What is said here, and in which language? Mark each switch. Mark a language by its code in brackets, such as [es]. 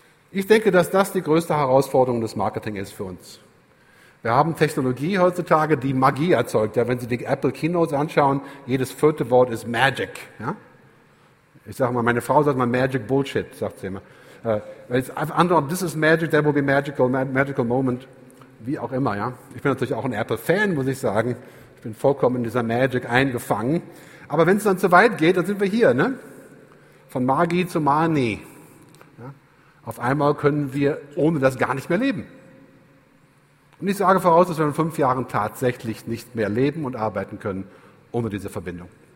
[de] Ich denke, dass das die größte Herausforderung des Marketing ist für uns. Wir haben Technologie heutzutage, die Magie erzeugt. Ja, wenn Sie die Apple Keynotes anschauen, jedes vierte Wort ist Magic. Ja? Ich sage mal, meine Frau sagt mal Magic Bullshit, sagt sie immer. [en] This is magic, there will be magical moment. [de] Wie auch immer, ja. Ich bin natürlich auch ein Apple-Fan, muss ich sagen. Ich bin vollkommen in dieser Magic eingefangen. Aber wenn es dann zu weit geht, dann sind wir hier, ne? Von Magie zu Mani. Ja? Auf einmal können wir ohne das gar nicht mehr leben. Und ich sage voraus, dass wir in 5 Jahren tatsächlich nicht mehr leben und arbeiten können ohne diese Verbindung.